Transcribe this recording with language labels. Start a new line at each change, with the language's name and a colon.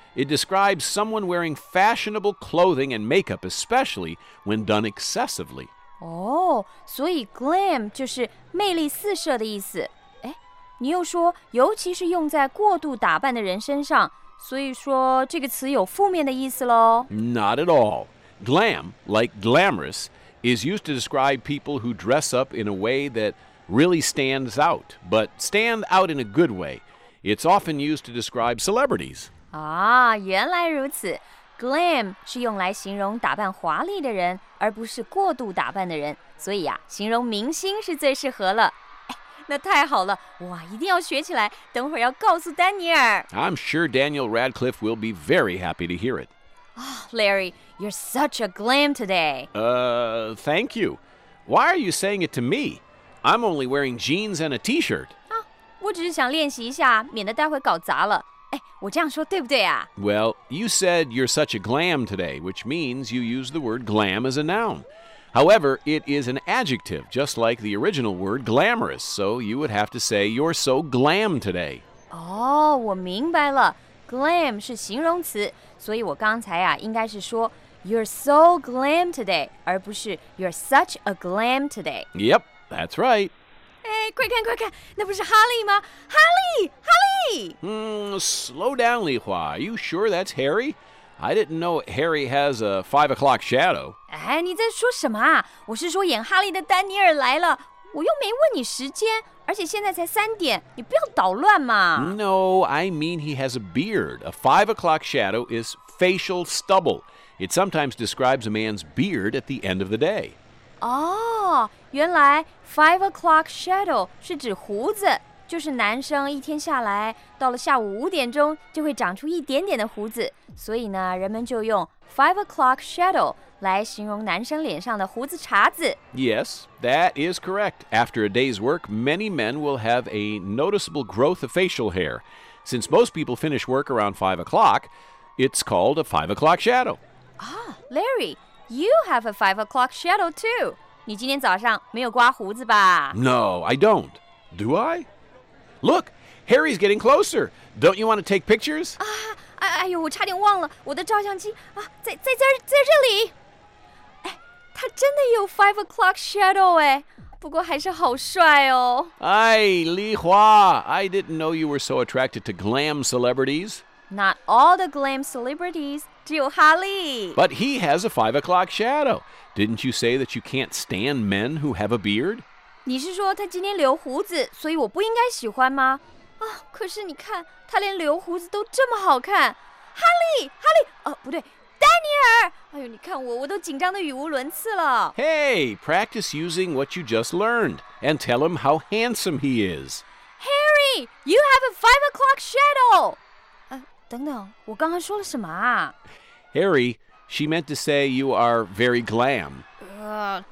English: It describes someone wearing fashionable clothing and makeup, especially when done excessively.
Chinese: Oh, 所以 glam 就是魅力四射的意思。哎，你又说，尤其是用在过度打扮的人身上。所以说这个词有负面的意思喽？
English: Not at all. Glam, like glamorous, is used to describe people who dress up in a way that really stands out, but stand out in a good way. It's often used to describe celebrities.
Chinese: 啊，原来如此。 Glam 是用来形容打扮华丽的人，而不是过度打扮的人。所以啊，形容明星是最适合了。那太好了，哇，一定要学起来，等会儿要告诉丹尼尔。
English: I'm sure Daniel Radcliffe will be very happy to hear it. Oh, Larry, you're such a glam today. Thank you. Why are you saying it to me? I'm only wearing jeans and a t-shirt.
Chinese: 啊，我只是想练习一下，免得待会搞砸了。哎，我这样说对不对啊？
English: Well, you said you're such a glam today, which means you use the word glam as a noun. However, it is an adjective, just like the original word glamorous, so you would have to say you're so glam today.
Chinese: Oh, 我明白了。Glam 是形容词，所以我刚才啊，应该是说
English: you're so glam today,
Chinese: 而不是
English: you're such a glam today. Yep, that's right.
Chinese: Hey, 快看快看，那不是哈利吗？哈利，哈利！
English: Slow down, Li Hua. Are you sure that's Harry? I didn't know Harry has a 5 o'clock shadow.
Chinese: 哎，你在说什么啊？我是说演哈利的丹尼尔来了。我又没问你时间，而且现在才三点，你不要捣乱嘛。
English: No, I mean he has a beard. A 5 o'clock shadow is facial stubble. It sometimes describes a man's beard at the end of the day.
Chinese: 哦，原来 5 o'clock shadow 是指胡子，就是男生一天下来，到了下午5点钟就会长出一点点的胡子，所以呢，人们就用 5 o'clock shadow来形容男生脸上的胡子茬子。
English: Yes, that is correct. After a day's work, many men will have a noticeable growth of facial hair. Since most people finish work around 5 o'clock, it's called a 5 o'clock shadow. Ah, Larry, you have a 5 o'clock shadow too.
Chinese: 你今天早上没有刮胡子吧？
English: No, I don't. Do I? Look, Harry's getting closer. Don't you want to take pictures?
Chinese: 哎呦，我差点忘了我的照相机啊，在这里。他真的有 5 o'clock shadow 哎，不过还是好帅哦。
English: 哎，丽华 ，I didn't know you were so attracted to glam celebrities. Not all the glam celebrities,
Chinese: 只有哈利。
English: But he has a 5 o'clock shadow. Didn't you say that you can't stand men who have a beard?
Chinese: 你是说他今天留胡子，所以我不应该喜欢吗？啊，可是你看他连留胡子都这么好看，哈利，哈利，哦，不对。哎呦，你看我，我都紧张得语无伦次了。
English: Hey, practice using what you just learned, and tell him how handsome he is. Harry, you have a 5 o'clock shadow.
Chinese: 等等，我刚刚说了什么啊
English: ？Harry, she meant to say you are very glam.